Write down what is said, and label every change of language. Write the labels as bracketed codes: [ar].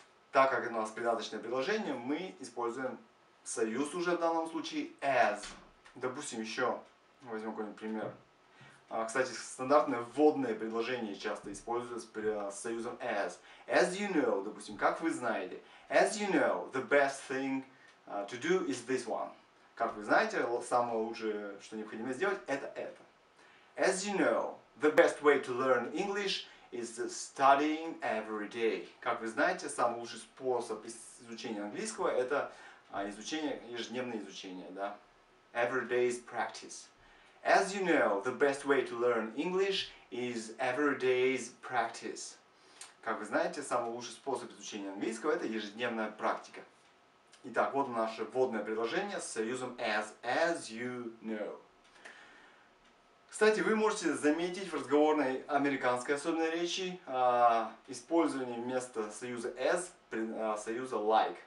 [ru] Так как у нас придаточное предложение, мы используем союз уже в данном случае as. Допустим, еще возьмем какой-нибудь пример. Кстати, стандартное вводное предложение часто используется с союзом as. [en] As you know, [ru] допустим, как вы знаете. [en] As you know, the best thing to do is this one. [ru] Как вы знаете, самое лучшее, что необходимо сделать, это. [en] As you know, the best way to learn English is studying every day. [ru] Как вы знаете, самый лучший способ изучения английского – это изучение, ежедневное изучение, да? [en] Every day is practice. As you know, the best way to learn English is every day's practice. [ru] Как вы знаете, самый лучший способ изучения английского – это ежедневная практика. Итак, вот наше вводное предложение с союзом as. [en] As you know. [ru] Кстати, вы можете заметить в разговорной американской особенной речи использование вместо союза as союза like.